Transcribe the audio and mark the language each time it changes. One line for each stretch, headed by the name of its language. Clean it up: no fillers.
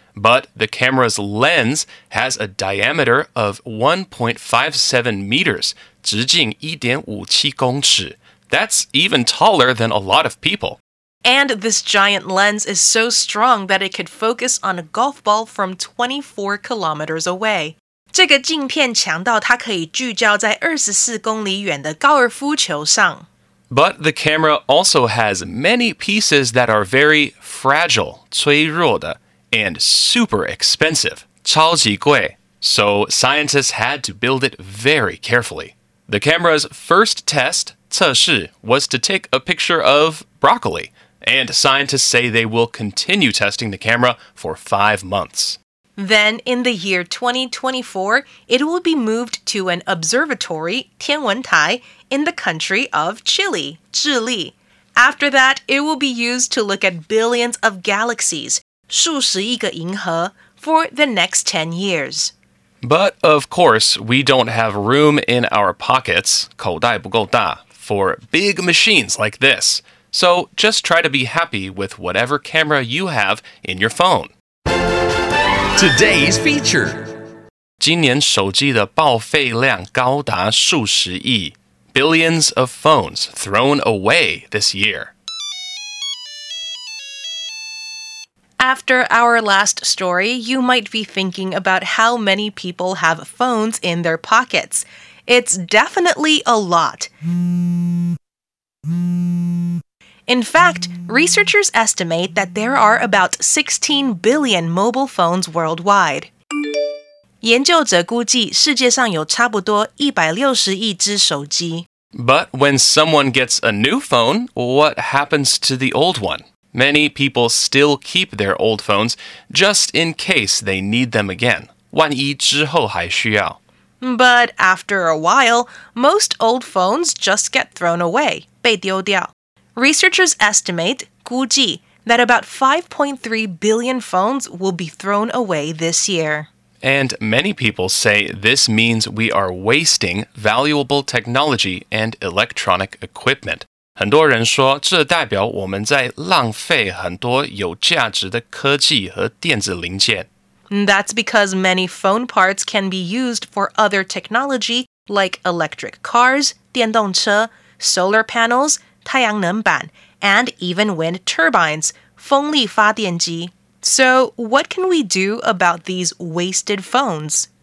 English: But the camera's lens has a diameter of 1.57 meters,
Chinese: 直径1.57公尺。
English: That's even taller than a lot of people. And this giant lens is so strong that it could focus on a golf ball from 24 kilometers away.
Chinese: 这个镜片强到它可以聚焦在24公里远的高尔夫球上。
English: But the camera also has many pieces that are very fragile,
Chinese: 脆弱的,
English: and super expensive,
Chinese: 超级贵。
English: So scientists had to build it very carefully. The camera's first test,
Chinese: 测试,
English: was to take a picture of broccoli. And scientists say they will continue testing the camera for 5 months. Then, in the year 2024, it will be moved to an observatory, 天文台, in the country of Chile, 智利. After that, it will be used to look at billions of galaxies, 数十亿个银河, for the next 10 years. But, of course, we don't have room in our pockets, 口袋不够大, for big machines like this. So, just try to be happy with whatever camera you have in your phone. Today's feature.
Chinese: 今年手机的报废量高达数十亿。
English: Billions of phones thrown away this year. After our last story, you might be thinking about how many people have phones in their pockets. It's definitely a lot. In fact, researchers estimate that there are about 16 billion mobile phones worldwide.
Chinese: 研究者估计世界上有差不多160亿只手机。
English: But when someone gets a new phone, what happens to the old one? Many people still keep their old phones just in case they need them again.
Chinese: 万一之后还需要。
English: But after a while, most old phones just get thrown away, 被丢掉。 Researchers estimate, 估计, that about 5.3 billion phones will be thrown away this year. And many people say this means we are wasting valuable technology and electronic equipment.
Chinese: 很多人说这代表我们在浪费很多有价值的科技和电子零件。
English: That's because many phone parts can be used for other technology like electric cars, 电动车, solar panels, 太阳能板, and even wind turbines, 风力发电机。 So, what can we do about these wasted phones?